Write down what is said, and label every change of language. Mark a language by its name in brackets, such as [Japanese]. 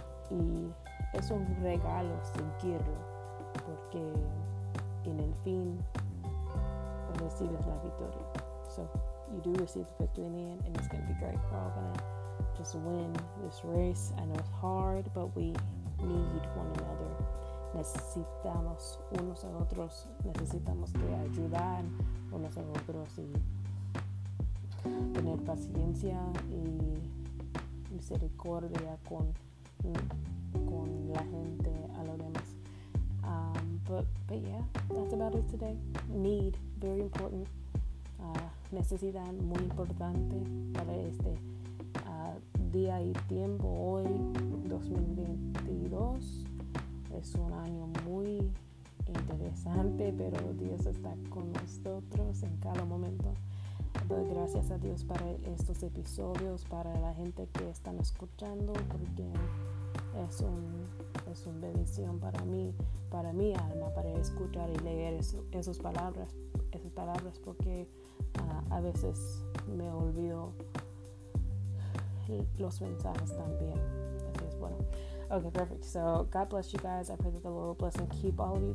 [Spanish] Y es un regalo seguirlo, porque en el fin recibes la victoria. [English] So you do receive the victory in the end, and it's going to be great. We're all going to just win this race. I know it's hard, but we need one another. [Spanish] Necesitamos unos a otros. Necesitamos que ayudar unos a otros y tener paciencia y misericordia con la gente a los demás. [English] But yeah, that's about it today. Need, very important. [Spanish] Necesidad muy importante para este día y tiempo hoy, 2022. Es un año muy interesante, pero Dios está con nosotros en cada momento. Doy gracias a Dios para estos episodios, para la gente que están escuchando, porque es una bendición para mí, para mi alma, para escuchar y leer esas palabras, porque a veces me olvido los mensajes también. Así es, bueno. [English] Okay, perfect. So, God bless you guys. I pray that the Lord will bless and keep all of you.